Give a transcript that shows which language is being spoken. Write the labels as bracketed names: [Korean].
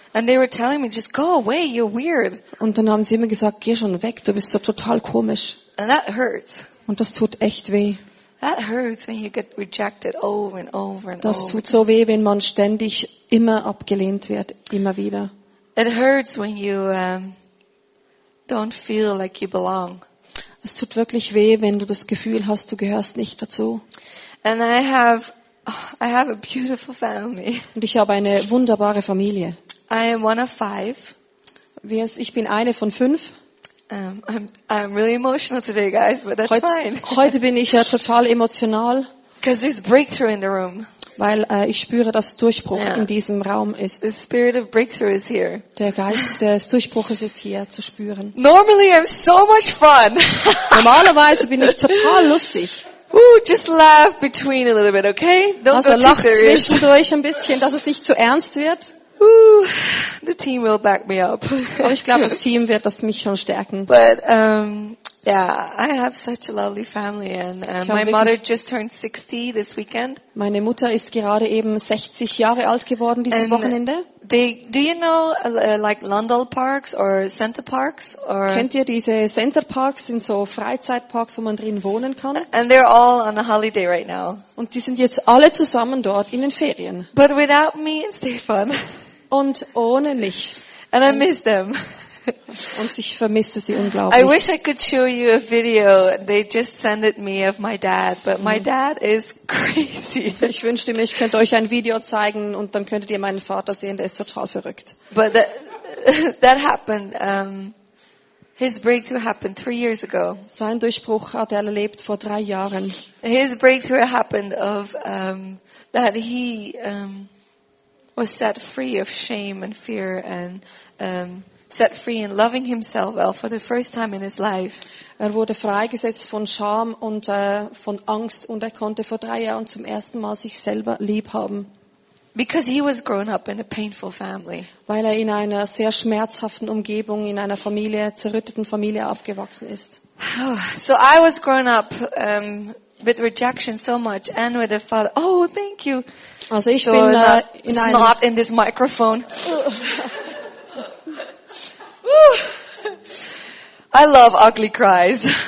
[English] And they were telling me, just go away, you're weird. [German] Und dann haben sie immer gesagt, geh schon weg, du bist so total komisch. [English] And that hurts. [German] Und das tut echt weh. [English] That hurts when you get rejected over and over and over. [German] Das tut so weh, wenn man ständig immer abgelehnt wird, immer wieder. [English] It hurts when you don't feel like you belong. [German] Es tut wirklich weh, wenn du das Gefühl hast, du gehörst nicht dazu. [English] And I have a beautiful family. [German] Und ich habe eine wunderbare Familie. [English] I am one of 5. [German] Ich bin eine von 5. [English] I'm really emotional today, guys, but that's fine. [German] Heute bin ich ja total emotional. [English] Because there's breakthrough in the room. [German] Weil ich spüre, dass Durchbruch in diesem Raum ist. [English] The spirit of breakthrough is here. [German] Der Geist des Durchbruches ist hier zu spüren. [English] Normally I'm so much fun. [German] Normalerweise bin ich total lustig. [English] Just laugh between a little bit, okay? Don't also go lach too serious. [German] Zwischendurch ein bisschen, dass es nicht zu ernst wird. [English] The team will back me up. [German] Aber ich glaube, das Team wird das mich schon stärken. [English] But I have such a lovely family and my mother just turned 60 this weekend. [German] Meine Mutter ist gerade eben 60 Jahre alt geworden dieses Wochenende. [English] Do you know like Lundell Parks or Center Parks or [German] kennt ihr diese Center Parks, sind so Freizeitparks, wo man drin wohnen kann? [English] And they're all on a holiday right now. [German] Und die sind jetzt alle zusammen dort in den Ferien. [English] But without me and Stefan. [German] Und ohne mich. [English] And I miss them. [German] Und ich vermisse sie unglaublich. [English] I wish I could show you a video. They just sent it me of my dad, but my dad is crazy. [German] Ich wünschte mir, ich könnte euch ein Video zeigen und dann könntet ihr meinen Vater sehen, der ist total verrückt. [English] But that happened. His breakthrough happened 3 years ago. [German] Sein Durchbruch hat er erlebt vor 3 Jahren. [English] His breakthrough happened of that he was set free of shame and fear and set free in loving himself well for the first time in his life. [German] Er wurde freigesetzt von Scham und von Angst und er konnte vor 3 Jahren zum ersten Mal sich selber lieb haben. [English] Because he was grown up in a painful family. [German] Weil er in einer sehr schmerzhaften Umgebung, in einer Familie, zerrütteten Familie aufgewachsen ist. [English] So I was grown up with rejection so much and with a father. Oh, thank you. [German] Also ich bin in einem [English] snot in this microphone. I love ugly cries.